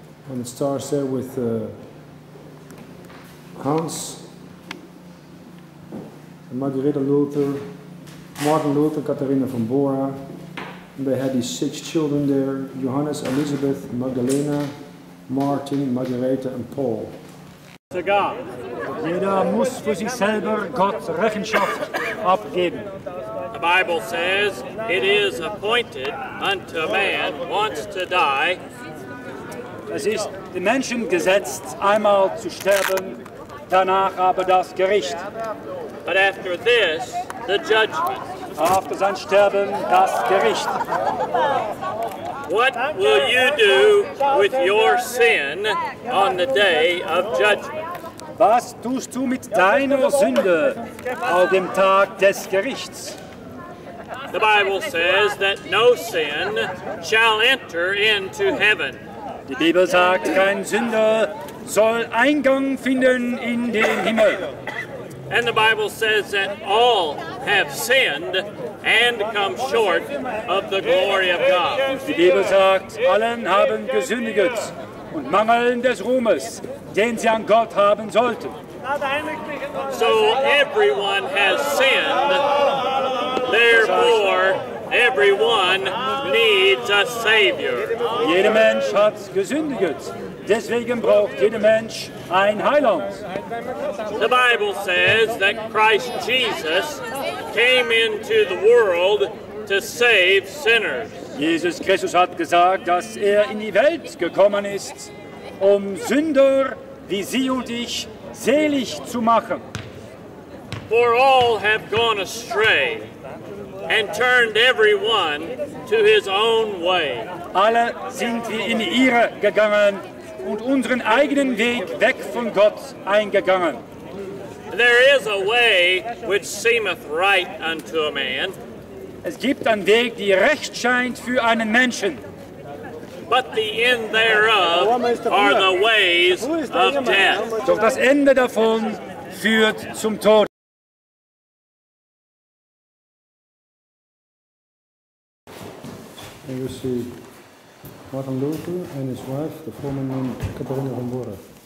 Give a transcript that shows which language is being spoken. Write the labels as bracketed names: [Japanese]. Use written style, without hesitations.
[English] And it starts there with Hans, Margarethe Luther, Martin Luther, Katharina von Bora. And they had these 6 children there, Johannes, Elisabeth, Magdalena, Martin, Margarethe and Paul. [German] Jeder muss für sich selber Gott Rechenschaft abgeben. [English] The Bible says it is appointed unto a man once to die. [German] Es ist dem Menschen gesetzt, einmal zu sterben, danach aber das Gericht. [English] But after this, the judgment. After [German] sein Sterben, das Gericht. [English] What will you do with your sin on the day of judgment? [German] Was tust du mit deiner Sünde auf dem Tag des Gerichts? [English] The Bible says that no sin shall enter into heaven. [German] Die Bibel sagt, kein Sünder soll Eingang finden in den Himmel. [English] And the Bible says that all have sinned and come short of the glory of God. [German] Die Bibel sagt, allen haben gesündigt und mangeln des Ruhmes, den sie an Gott haben sollten. [English] So everyone has sinned, therefore everyone needs a Savior. [German] Jeder Mensch hat gesündigt. Deswegen braucht jeder Mensch ein Heiland. [English] The Bible says that Christ Jesus came into the world to save sinners. [German] Jesus Christus hat gesagt, dass er in die Welt gekommen ist, um Sünder wie Sie und ich selig zu machen. [English] For all have gone astray and turned everyone to his own way. [German] Alle sind wie in die Irre gegangen und unseren eigenen Weg weg von Gott eingegangen. [English] There is a way which seemeth right unto a man. [German] Es gibt einen Weg, der recht scheint für einen Menschen. [English] But the end thereof are the ways of death. [German] Doch das Ende davon führt zum Tod. [English] And you see Martin Luther and his wife, the former nun Katharina von Bora.